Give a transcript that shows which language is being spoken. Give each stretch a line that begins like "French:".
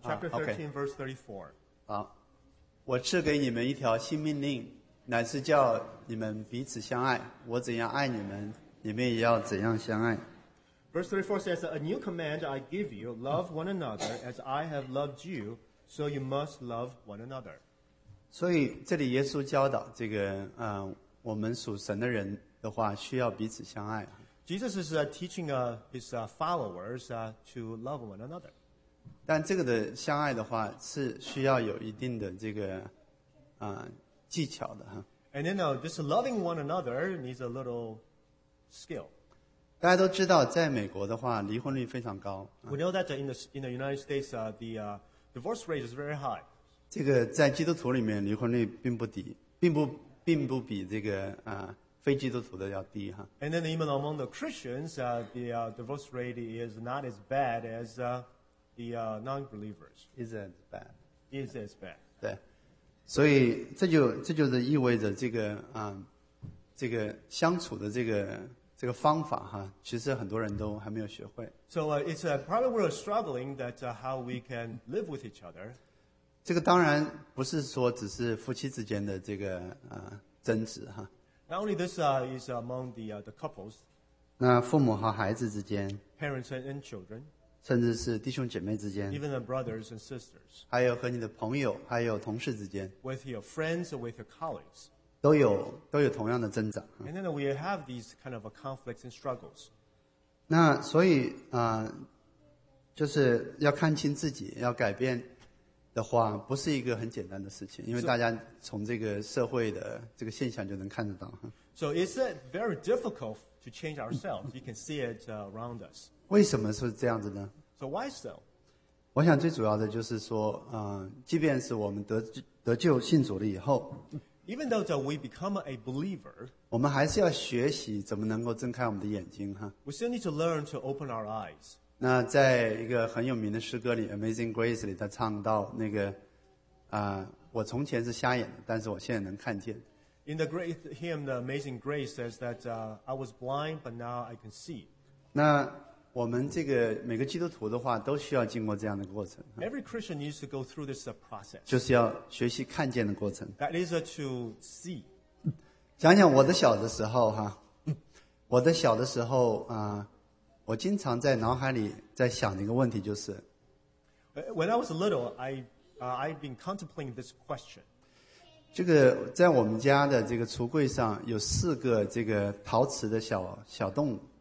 English: 13, verse 34.
Chinese: 好。我赐给你们一条新命令，乃是叫你们彼此相爱。我怎样爱你们。 你们也要怎样相爱。
English: Verse 34 says, A new command I give you, love one another as I have loved you, so you must love one another.
Chinese: 所以这里耶稣教导这个、我们属神的人的话需要彼此相爱。
English: Jesus is teaching his followers to love one another.
Chinese: 但这个的相爱的话是需要有一定的这个、技巧的。
English: And then this loving one another needs a little skill.
Chinese: 大家都知道在美国的话离婚率非常高。
English: We know that in the United States, the divorce rate is very high.
Chinese: 这个在基督徒里面离婚率并不低，并不比这个、非基督徒的要低哈。
English: And then even among the Christians, the divorce rate is not as bad as the non-believers. Is as bad. Is as bad.
Chinese: 对，所以这就是意味着这个啊、这个相处的这个方法哈，其实很多人都还没有学会。
English: So it's probably we're struggling that how we can live with each other.
Chinese: 这个当然不是说只是夫妻之间的这个啊、争执哈。
English: Not only this is among the couples.
Chinese: 那父母和孩子之间。
English: Parents and children.
Chinese: 甚至是弟兄姐妹之间。
English: Even the brothers and sisters.
Chinese: 还有和你的朋友，还有同事之间。
English: With your friends or with your colleagues.
Chinese: 都有同样的挣扎。
English: And then we have these kind of conflicts and struggles.
Chinese: 那所以啊、就是要看清自己，要改变。的话不是一个很简单的事情，因为大家从这个社会的这个现象就能看得到。
English: So it's very difficult to change ourselves. You can see it around us.
Chinese: 为什么是这样子呢
English: ？So why so?
Chinese: 我想最主要的就是说，即便是我们得救信主了以后
English: ，Even though that we become a believer，
Chinese: 我们还是要学习怎么能够睁开我们的眼睛哈。
English: We still need to learn to open our eyes.
Chinese: 那在一个很有名的诗歌里 Amazing Grace 里他唱到那个、我从前是瞎眼的但是我现在能看见
English: In the great hymn the Amazing Grace says that、I was blind but now I can see
Chinese: 那我们这个每个基督徒的话都需要经过这样的过程
English: Every Christian needs to go through this process
Chinese: 就是要学习看见的过程
English: That is to see
Chinese: 想想我的小的时候哈，我的小的时候啊、我经常在脑海里在想的一个问题就是
English: When I was little, I've been contemplating this question.
Chinese: 这个在我们家的这个橱柜上有四个这个陶瓷的小动物。